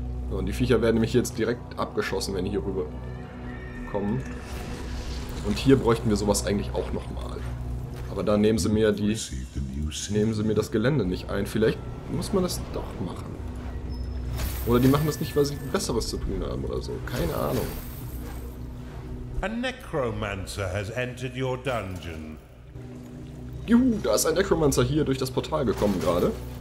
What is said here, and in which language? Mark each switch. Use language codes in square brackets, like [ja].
[de] So, und die Viecher werden nämlich jetzt direkt abgeschossen, wenn die hier rüber kommen. Und hier bräuchten wir sowas eigentlich auch nochmal. Aber da nehmen sie mir die... Nehmen sie mir das Gelände nicht ein. Vielleicht muss man das doch machen. Oder die machen das nicht, weil sie Besseres zu tun haben oder so. Keine Ahnung. [en] A necromancer has entered your dungeon. [de] Juhu, da ist ein Necromancer hier durch das Portal gekommen gerade.